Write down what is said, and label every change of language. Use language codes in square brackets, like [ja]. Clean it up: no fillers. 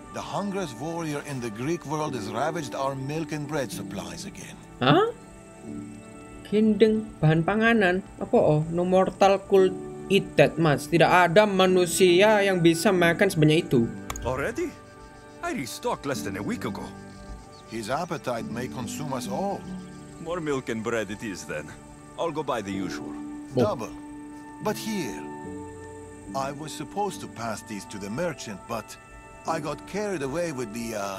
[en] The hungriest warrior in the Greek world has ravaged our milk and bread supplies again. [id] Hah? Gendeng bahan panganan. [en] Apa oh, no mortal could eat that much. [id] Tidak ada manusia yang bisa makan sebanyak itu. [en] Already? I restocked less than a week ago. His appetite may consume us all. More milk and bread it is then. I'll go buy the usual. Oh. Double. But here I was supposed to pass these to the merchant, but I got carried away with the,